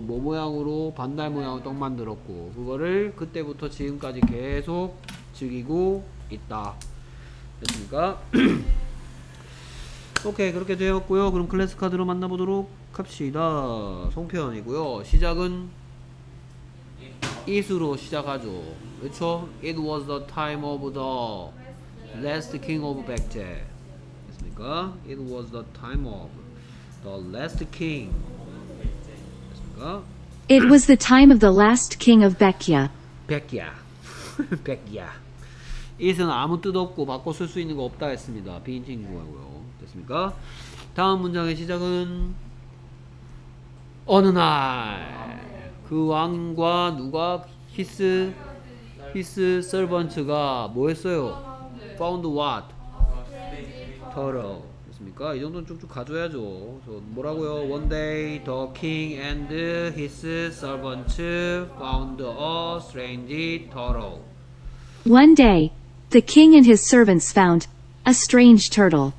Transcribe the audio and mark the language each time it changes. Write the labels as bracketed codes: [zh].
[ko] 뭐 모양으로 반달 모양으로 떡 만들었고 그거를 그때부터 지금까지 계속 즐기고 있다. 됐습니까? 오케이 그렇게 되었고요. 그럼 클래스 카드로 만나보도록 합시다. 송편이고요. 시작은 it으로 시작하죠. 그렇죠? [en] It was the time of the last king of 백제. [ko] 됐습니까? [en] It was the time of the last king. [ko] 됐습니까? [en] It was the time of the last king of 백야. [ko] 백야. 백야. it은 아무 뜻 없고 바꿔 쓸 수 있는 거 없다 했습니다. 비인칭구하고요. 됐습니까? 다음 문장의 시작은 어느 날 그 왕과 누가 [en] his servant [ko] 가 뭐 했어요? [en] found what? turtle. [ko] 됐습니까? 이 정도는 쭉쭉 가져야죠. 뭐라고요? [en] one day the king and his servant found a strange turtle. one day the king and his servants found a strange turtle.